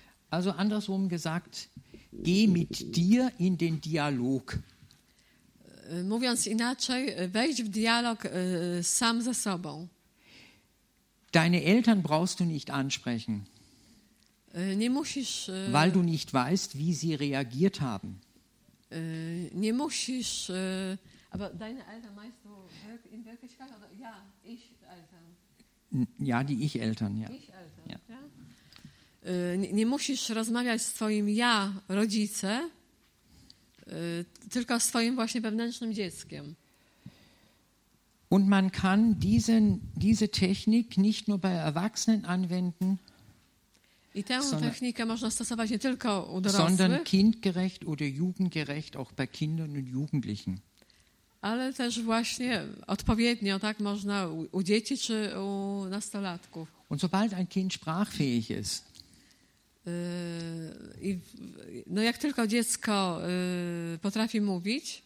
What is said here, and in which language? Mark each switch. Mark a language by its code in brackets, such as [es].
[de] Also andersrum gesagt, geh mit dir in den Dialog. [pl] Mówiąc inaczej, wejdź w dialog sam ze sobą. [de] Deine Eltern brauchst du nicht ansprechen. [pl] Nie musisz, [de] weil du nicht weißt, wie sie reagiert haben. [pl] Nie musisz, [de] aber deine Eltern meinst du in Wirklichkeit oder ja, ich Eltern. Ja, die ich Eltern, ja. Ich Eltern, ja. [pl] Nie musisz rozmawiać z twoim ja, rodzice. Tylko swoim właśnie wewnętrznym dzieckiem. [de] Und man kann diese Technik nicht nur bei Erwachsenen anwenden. [pl] I tę technikę można stosować nie tylko u dorosłych, [de] sondern kindgerecht oder jugendgerecht auch bei Kindern und Jugendlichen. [pl] Ale też właśnie odpowiednio, tak, można u dzieci czy u nastolatków. [de] Und sobald ein Kind sprachfähig ist. [pl] I, no jak tylko dziecko potrafi mówić